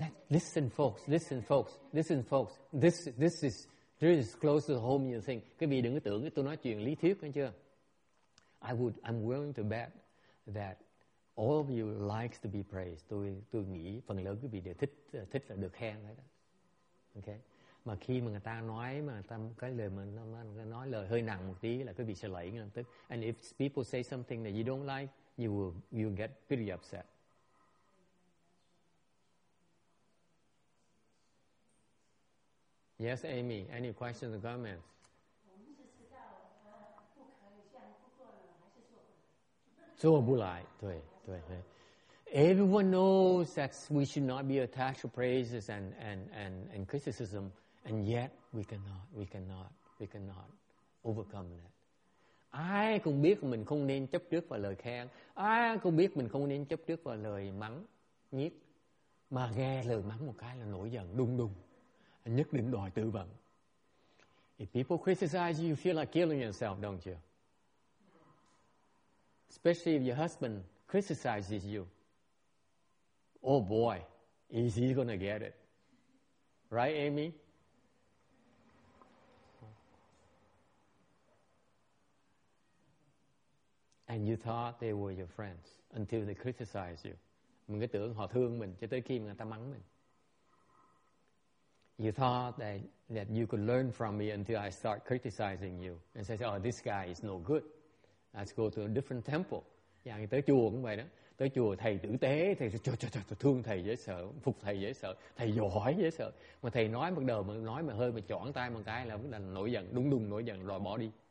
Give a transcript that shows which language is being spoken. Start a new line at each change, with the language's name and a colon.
English: Listen, folks. This is close to home, you think.
Vietnamese: Các vị đừng có tưởng tôi nói chuyện lý thuyết nghe chưa?
English: I'm willing to bet that all of you likes to be praised.
Vietnamese: Tôi nghĩ phần lớn các vị đều thích là được khen đấy.
English: Okay.
Vietnamese: Mà khi mà người ta nói mà ta cái lời mà nói lời hơi nặng một tí là các vị sẽ lẫy ngay lập tức.
English: And if people say something that you don't like, you will get pretty upset. Yes, Amy, any questions or comments? Everyone knows that we should not be attached to praises and criticism, and yet we cannot overcome that.
Vietnamese: Ai cũng biết mình không nên chấp trước vào lời khen. Ai cũng biết mình không nên chấp trước vào lời mắng, nhiếc. Mà nghe lời mắng một cái là nổi giận, đùng đùng. Nhất định đòi tư vấn.
English: If people criticize you, you feel like killing yourself, don't you? Especially if your husband criticizes you. Oh boy, is he gonna get it? Right, Amy? And you thought they were your friends until they criticize you.
Vietnamese: Mình cứ tưởng họ thương mình cho tới khi người ta mắng mình.
English: You thought that you could learn from me until I start criticizing you and say, oh, this guy is no good. Let's go to a different temple.
Vietnamese: Yeah, tới chùa cũng vậy đó. Tới chùa thầy tử tế, thầy cho thương thầy dễ sợ, phục thầy dễ sợ, thầy giỏi dễ sợ. Mà thầy nói bắt đầu mà nói mà hơi mà chọn tay một cái là vẫn nổi giận, đúng đúng nổi giận rồi bỏ đi.